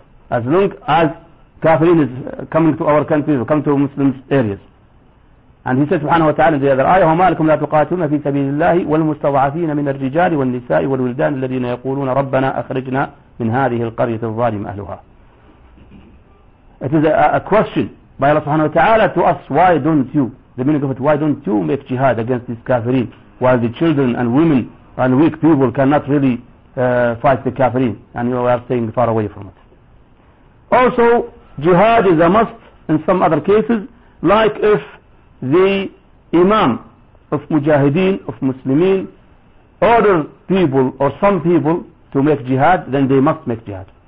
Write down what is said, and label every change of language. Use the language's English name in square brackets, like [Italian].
[English] As long as kafirin is coming to our country or come to Muslim areas. And he says subhanahu wa ta'ala in the other ayah, [Arabic] وَمَا لَكُمْ لَا تُقَاتِلُونَ فِي سَبِيلِ اللَّهِ وَالْمُسْتَضْعَفِينَ مِنَ الرِّجَالِ وَالنِّسَاءِ وَالْوِلْدَانِ الَّذِينَ يَقُولُونَ رَبَّنَا أَخْرِجْنَا مِنْ هَذِهِ الْقَرْيَةِ الظَّالِمِ أَهْلُهَا. [English] It is a question by Allah subhanahu wa ta'ala to us, why don't you? The meaning of it, why don't you make jihad against these kafirin while the children and women and weak people cannot really fight the kafirin and you are staying far away from it? Also, jihad is a must in some other cases, like if the imam of mujahideen, of muslimin, order people or some people to make jihad, then they must make jihad.